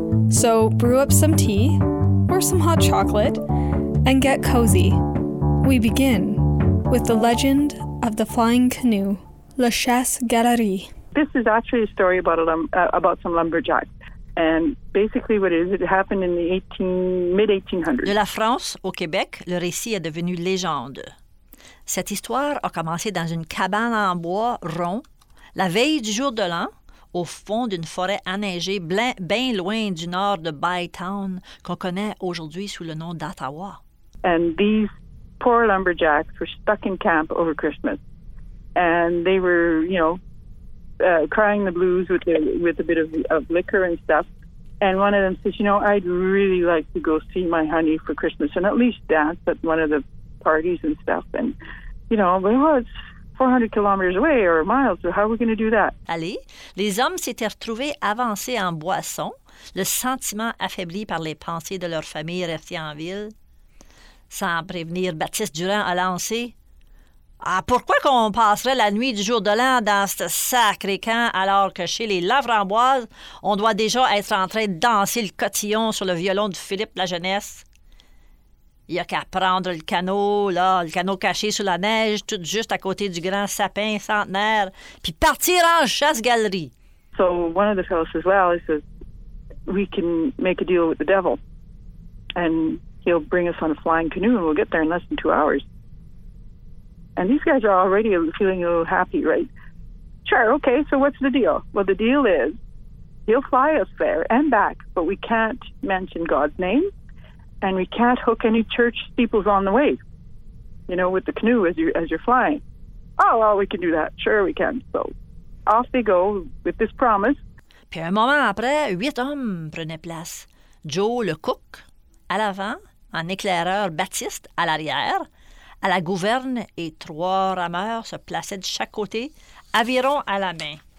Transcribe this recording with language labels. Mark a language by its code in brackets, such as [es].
[en] So brew up some tea or some hot chocolate and get cozy. We begin with the legend of the flying canoe, La Chasse Galerie. This is actually a story about some lumberjacks. And basically what it is, it happened in the mid-1800s. [fr] De la France au Québec, le récit est devenu légende. Cette histoire a commencé dans une cabane en bois rond, la veille du jour de l'an, au fond d'une forêt enneigée bien loin du nord de Bytown, qu'on connaît aujourd'hui sous le nom d'Ottawa. [en] And these poor lumberjacks were stuck in camp over Christmas. And they were, you know, crying the blues with a bit of liquor and stuff. And one of them says, you know, I'd really like to go see my honey for Christmas and at least dance at one of the parties and stuff. And, you know, but, well, it's 400 kilometers away or miles, so how are we going to do that? [fr] Allez, les hommes s'étaient retrouvés avancés en boisson, le sentiment affaibli par les pensées de leur famille restée en ville. Sans prévenir, Baptiste Durand a lancé, ah, pourquoi qu'on passerait la nuit du jour de l'an dans ce sacré camp alors que chez les Lavramboises, on doit déjà être en train de danser le cotillon sur le violon de Philippe la Jeunesse? Il n'y a qu'à prendre le canot, là, le canot caché sous la neige, tout juste à côté du grand sapin centenaire, puis partir en chasse-galerie. [en] So one of the fellows says, well, he says, we can make a deal with the devil, and he'll bring us on a flying canoe, and we'll get there in less than 2 hours. And these guys are already feeling a little happy, right? Sure, okay, so what's the deal? Well, the deal is, he'll fly us there and back, but we can't mention God's name. And we can't hook any church steeples on the way, you know, with the canoe as you're flying. Oh, well, we can do that. Sure, we can. So off they go with this promise. [fr] Puis un moment après, huit hommes prenaient place. Joe, le cook, à l'avant, en éclaireur, Baptiste, à l'arrière, à la gouverne, et trois rameurs se plaçaient de chaque côté, aviron à la main.